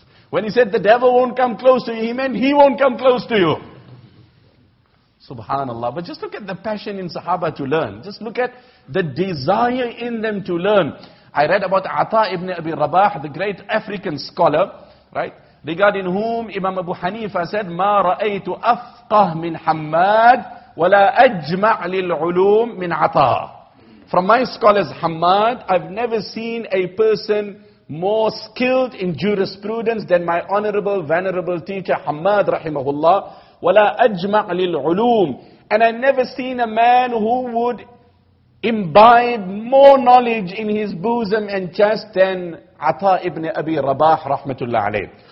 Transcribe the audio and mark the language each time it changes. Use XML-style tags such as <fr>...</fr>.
<en>When he said the devil won't come close to you, he meant he won't come close to you. Subhanallah. But just look at the passion in Sahaba to learn. Just look at the desire in them to learn. I read about Ata ibn Abi Rabah, the great African scholar, right? Regarding whom Imam Abu Hanifa said,</en> <ar>مَا رَأَيْتُ أَفْقَهْ مِنْ حَمَّادٍ وَلَا أَجْمَعْ لِلْعُلُومِ مِنْ عَطَىٰ.</ar> <en>From my scholars Hamad, I've never seen a person more skilled in jurisprudence than my honorable, venerable teacher Hamad rahimahullah.</en> <ar>وَلَا أَجْمَعْ لِلْعُلُومِ.</ar> <en>And I never seen a man who would imbibe more knowledge in his bosom and chest than Ata ibn Abi Rabah, rahmatullah alayh.</en>